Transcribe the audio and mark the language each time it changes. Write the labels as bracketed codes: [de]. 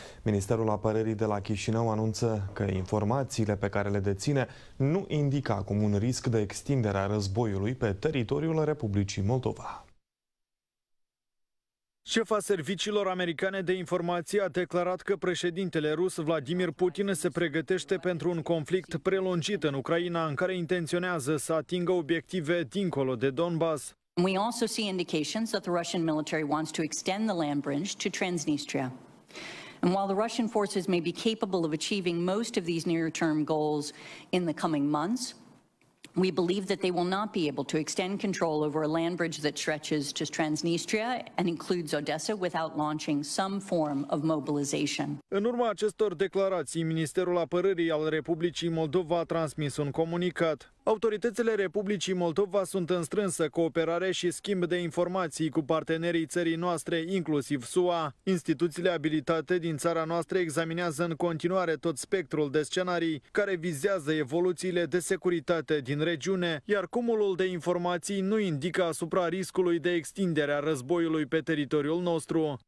[ro] Ministerul Apărării de la Chișinău anunță că informațiile pe care le deține nu indică acum un risc de extindere a războiului pe teritoriul Republicii Moldova. Șefa Serviciilor Americane de Informații a declarat că președintele rus Vladimir Putin se pregătește pentru un conflict prelungit în Ucraina, în care intenționează să atingă obiective dincolo de Donbass. [en] We also see indications that the Russian military wants to extend the land bridge to Transnistria. And while the Russian forces may be capable of achieving most of these near-term goals in the coming months, we believe that they will not be able to extend control over a land bridge that stretches to Transnistria and includes Odessa without launching some form of mobilization. [ro] În urma acestor declarații, Ministerul Apărării al Republicii Moldova a transmis un comunicat. Autoritățile Republicii Moldova sunt în strânsă cooperare și schimb de informații cu partenerii țării noastre, inclusiv SUA. Instituțiile abilitate din țara noastră examinează în continuare tot spectrul de scenarii care vizează evoluțiile de securitate din regiune, iar cumulul de informații nu indică asupra riscului de extindere a războiului pe teritoriul nostru.